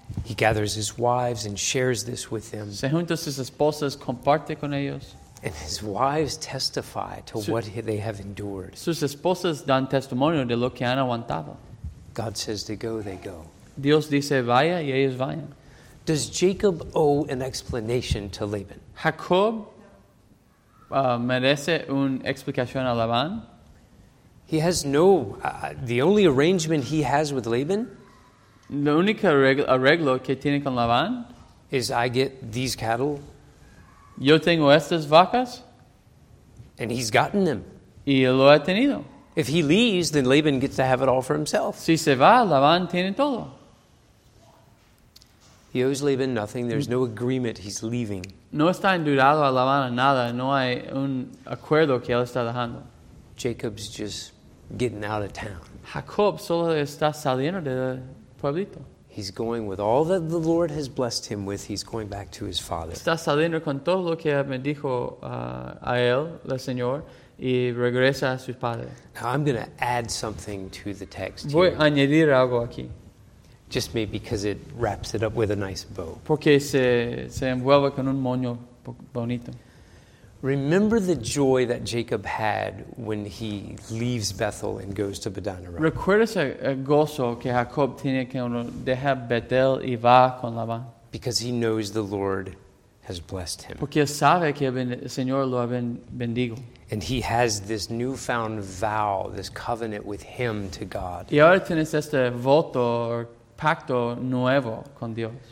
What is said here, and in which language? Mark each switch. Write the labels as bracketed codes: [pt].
[en] He gathers his wives and shares this with them. [es] Se junta sus esposas, comparte con ellos. [en] And his wives testify to what they have endured. [es] Sus esposas dan testimonio de lo que han aguantado. [en] God says to go, they go. [es] Dios dice vaya y ellos vayan. [en] Does Jacob owe an explanation to Laban? [es] Jacob merece una explicación a Labán. [en] He has no. The only arrangement he has with Laban. [es] La única arreglo que tiene con Labán [en] is I get these cattle. [es] Yo tengo estas vacas. [en] And he's gotten them. [es] Y lo ha tenido. [en] If he leaves, then Laban gets to have it all for himself. [es] Si se va, Labán tiene todo. [en] He owes Laban nothing. There's no agreement. He's leaving. [es] No está endeudado a Labán nada. No hay un acuerdo que él está dejando. [en] Jacob's just getting out of town. [es] Jacob solo está saliendo del pueblito. [en] He's going with all that the Lord has blessed him with. He's going back to his father. [es] Está saliendo con todo lo que me dijo a él, el Señor, y regresa a su padre. [en] Now I'm going to add something to the text. [es] Voy [en] here. [es] A añadir algo aquí. [en] Just maybe because it wraps it up with a nice bow. [es] Porque se envuelve con un moño bonito. [en] Remember the joy that Jacob had when he leaves Bethel and goes to Padan Aram. [es] Recuerda ese gozo que Jacob tiene cuando deja Betel y va con Labán. [en] Because he knows the Lord has blessed him. [es] Porque sabe que el Señor lo ha bendigo. [en] And he has this newfound vow, this covenant with him to God. [es] Y ahora tienes este voto or pacto nuevo con Dios.